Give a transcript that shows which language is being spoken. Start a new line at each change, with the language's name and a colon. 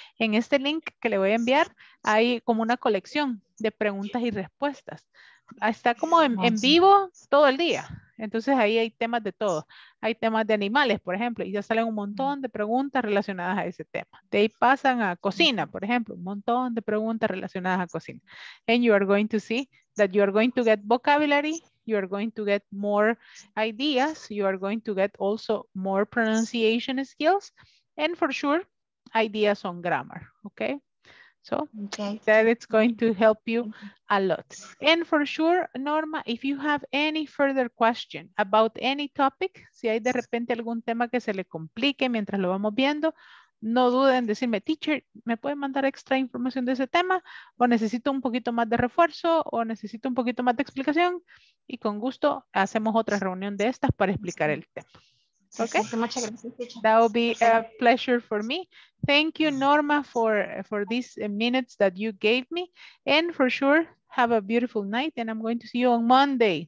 Spanish: En este link que le voy a enviar hay como una colección de preguntas y respuestas. Está como en vivo todo el día. Entonces ahí hay temas de todo. Hay temas de animales, por ejemplo, y ya salen un montón de preguntas relacionadas a ese tema. De ahí pasan a cocina, por ejemplo, un montón de preguntas relacionadas a cocina.
English: And you are going to see that you are going to get vocabulary, you are going to get more ideas, you are going to get also more pronunciation skills, and for sure, ideas on grammar, okay? So that it's going to help you a lot. And for sure, Norma, if you have any further question about any topic,
Spanish: si hay de repente algún tema que se le complique mientras lo vamos viendo, no duden en decirme, teacher, ¿me puede mandar extra información de ese tema? ¿O necesito un poquito más de refuerzo? ¿O necesito un poquito más de explicación? Y con gusto hacemos otra reunión de estas para explicar el tema.
English: Okay.
Spanish: Muchas gracias, teacher.
English: That will be a pleasure for me. Thank you, Norma, for these minutes that you gave me. And for sure, have a beautiful night. And I'm going to see you on Monday.